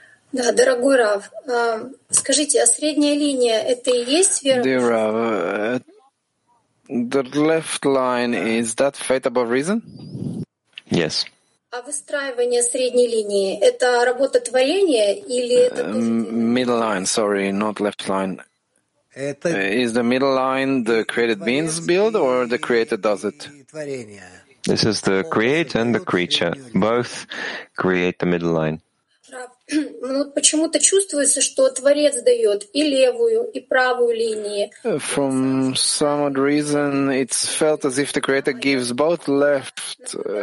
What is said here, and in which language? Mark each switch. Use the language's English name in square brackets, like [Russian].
[Russian] Да, дорогой Рав, скажите, а средняя линия — это и есть вера? [English] Dear Rav, the left line, is that faith above reason? Yes. [Russian] А выстраивание средней линии — это работа творения или это... [English] Middle line, sorry, not left line. Is the middle line the created beings build or the Creator does it? This is the Creator and the creature. Both create the middle line. From some odd reason, it's felt as if the Creator gives both left...